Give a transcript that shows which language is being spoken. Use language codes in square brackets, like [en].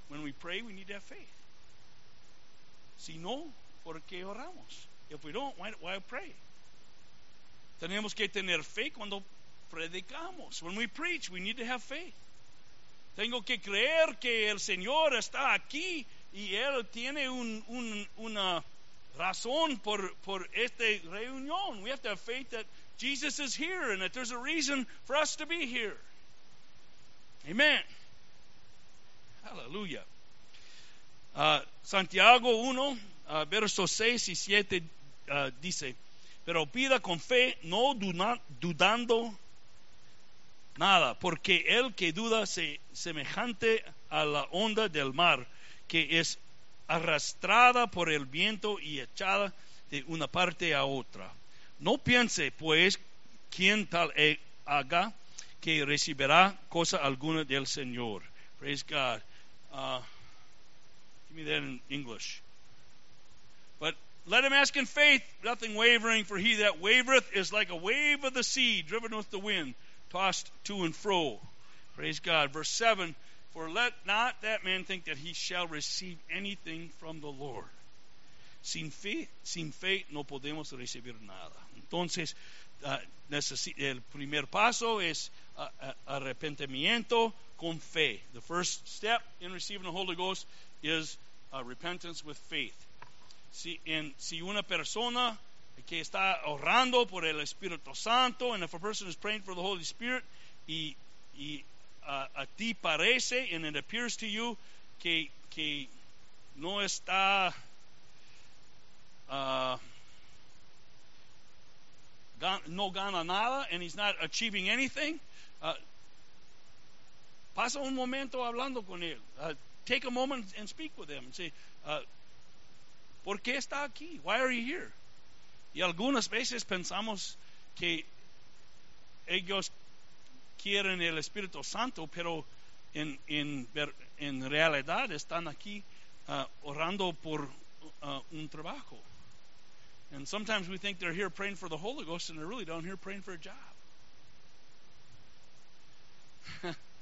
[en] When we pray, we need to have faith. [es] Si no, ¿por qué oramos? [en] If we don't, why pray? [es] Tenemos que tener fe cuando predicamos. [en] When we preach, we need to have faith. [es] Tengo que creer que el Señor está aquí y Él tiene una razón por esta reunión. [en] We have to have faith that Jesus is here and that there's a reason for us to be here. Amen. Hallelujah. [es] Santiago 1, versos 6 y 7 dice, pero pida con fe, no dudando nada, porque el que duda se semejante a la onda del mar, que es arrastrada por el viento y echada de una parte a otra. No piense, pues, quien tal haga que recibirá cosa alguna del Señor. [en] Praise God. Give me that in English. But let him ask in faith, nothing wavering, for he that wavereth is like a wave of the sea, driven with the wind, tossed to and fro. Praise God. Verse 7, for let not that man think that he shall receive anything from the Lord. [es] Sin fe no podemos recibir nada. Entonces, el primer paso es arrepentimiento con fe. [en] The first step in receiving the Holy Ghost is repentance with faith. [es] Si una persona que está orando por el Espíritu Santo, [en] and if a person is praying for the Holy Spirit, [es] y a ti parece, [en] and it appears to you, [es] que no está no gana nada, [en] and he's not achieving anything, [es] pasa un momento hablando con él. [en] Take a moment and speak with him. Say, [es] ¿por qué está aquí? [en] Why are you here? [es] Y algunas veces pensamos que ellos quieren el Espíritu Santo, pero en realidad están aquí orando por un trabajo. [en] And sometimes we think they're here praying for the Holy Ghost, and they're really down here praying for a job.